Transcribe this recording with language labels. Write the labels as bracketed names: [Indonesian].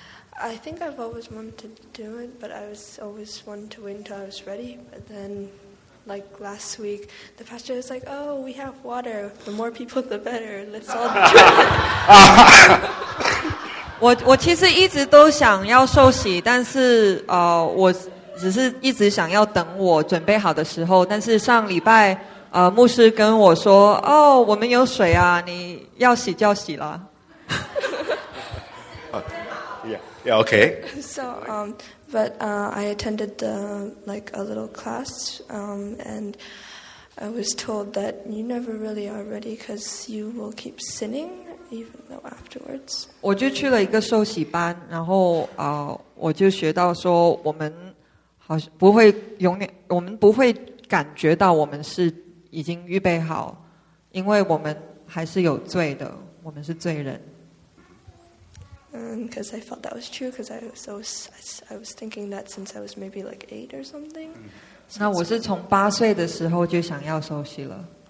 [English] I think I've always wanted to do it, but I was always wanting to wait until I was ready. But then, like last week, the pastor was like, "Oh, we have water. The more people, the better. Let's all do it." [Chinese] 我其实一直都想要受洗，但是我只是一直想要等我准备好的时候。但是上礼拜牧师跟我说，哦，我们有水啊，你要洗就要洗了。 [English] Yeah, okay. So, I attended the, like, a little class, and I was told that you never really are ready because you will keep sinning, even though afterwards. [Chinese] 我就去了一个受洗班，然后我就学到说我们好像不会永远，我们不会感觉到我们是已经预备好，因为我们还是有罪的，我们是罪人。 [English] Because I felt that was true, because I was thinking that since I was maybe like 8 or something. [Chinese] 那我是从八岁的时候就想要受洗了。